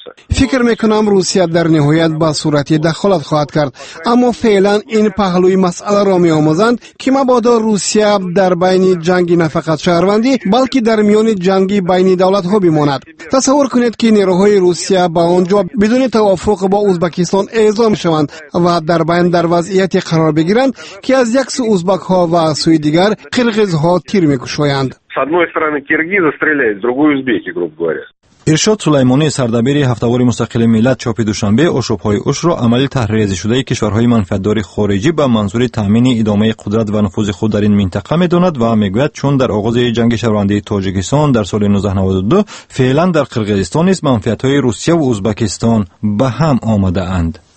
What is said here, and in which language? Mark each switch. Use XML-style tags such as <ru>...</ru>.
<fa>فکر میکنم روسیه در نهایت با صورتی دخالت خواهد کرد، اما فعلا این پهلوی مسئله را می آموزند که مبادا روسیه در بین جنگ نه فقط شهروندی بلکه در میان جنگ بین دولت ها بماند. تصور کنید که نیروهای روسیه با آنجا بدون توافق با ازبکستان اعزام شوند و در بین در وضعیتی قرار بگیرند که از یک سو ازبک ها و سوی دیگر قرغیز ها تیر می کشویند.</fa> <ru>С одной стороны киргизы стреляют, с другой узбеки, грубо говоря.</ru> <fa>ارشاد سلیمانی سردبیری هفتوار مستقل ملت چاپ دوشنبه آشوب‌های اوش را عملی طرح‌ریزی شده کشورهای منفعت‌دار خارجی به منظور تأمین ادامه قدرت و نفوذ خود در این منطقه می‌داند و می‌گوید چون در آغاز جنگ شهروندی تاجیکستان در سال 1992 فعلا در قرغیزستان نیز منفعت‌های روسیه و ازبکستان به هم آمده اند.</fa>